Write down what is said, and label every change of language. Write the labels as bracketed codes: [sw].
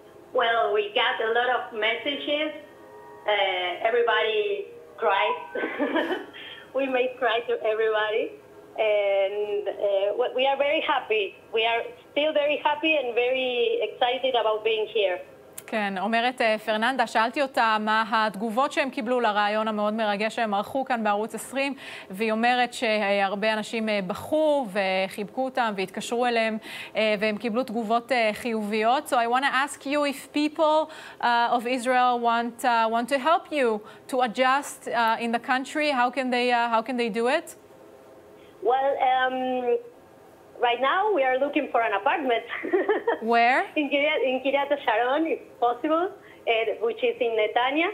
[en] Well, Well, we got a lot of messages. Everybody cried. We made cry to everybody. And we are very happy. We are still very happy and very excited about being here. [he] כן, אומרת פרננדה, שאלתי אותה מה התגובות שהם קיבלו לרעיון המאוד מרגש שהם ערכו כאן בערוץ 20, והיא אומרת שהרבה אנשים בחו וחיבקו אותם והתקשרו אליהם, והם קיבלו תגובות חיוביות. [en] So I want to ask you if people of Israel want to help you to adjust in the country, how can they do it? Well, right now we are looking for an apartment. Where? In Kiryat Sharon, if possible, and which is in Netanya.